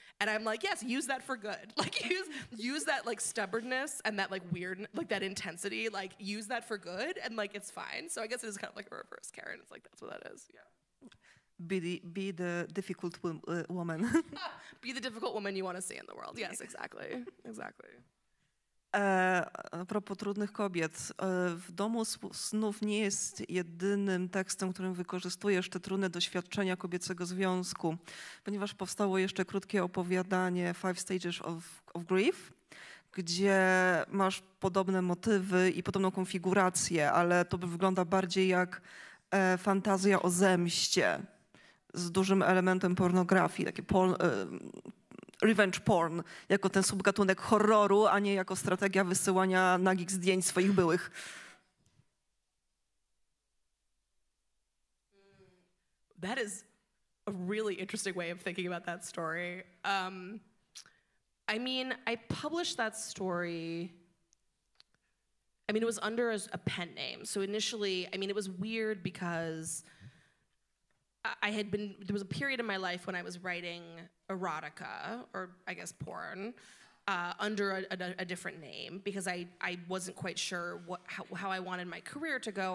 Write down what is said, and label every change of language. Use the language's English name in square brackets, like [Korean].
[English] And I'm like, yes, use that for good. Like, use that, like, stubbornness and that, like, weird, like, that intensity. Like, use that for good, and, like, it's fine. So I guess it is kind of like a reverse Karen. It's like, that's what that is, yeah. Be the difficult woman. Be the difficult woman you want to see in the world. Yes, exactly. Exactly. [Polish] A propos trudnych kobiet. W domu snów nie jest jedynym tekstem, którym wykorzystujesz te trudne doświadczenia kobiecego związku, ponieważ powstało jeszcze krótkie opowiadanie Five Stages of Grief, gdzie masz podobne motywy i podobną konfigurację, ale to by wygląda bardziej jak fantazja o zemście z dużym elementem pornografii, takie revenge porn, jako ten subgatunek horroru, a nie jako strategia wysyłania nagich zdjęć swoich byłych. [English] That is a really interesting way of thinking about that story. I mean, I published that story, I mean, it was under a pen name. So initially, I mean, it was weird because I had been, there was a period in my life when I was writing erotica, or I guess porn, under a different name, because I wasn't quite sure how I wanted my career to go.